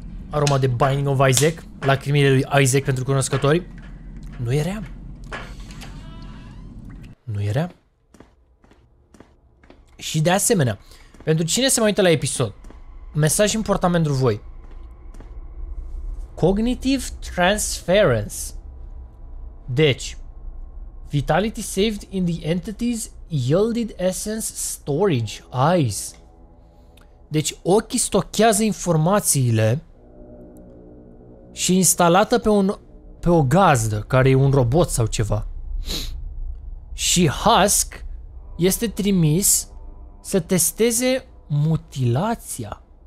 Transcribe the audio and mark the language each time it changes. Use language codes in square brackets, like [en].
[ro] aroma de Binding of Isaac, lacrimile lui Isaac pentru cunoscători. Nu era. Nu era. Și de asemenea, pentru cine se mai uită la episod, mesaj important pentru voi. [en] Cognitive transference. Deci, vitality saved in the entity's yielded essence storage eyes. [ro] Deci ochii stochează informațiile și instalată pe un pe o gazdă care e un robot sau ceva. Și Husk este trimis să testeze mutilația.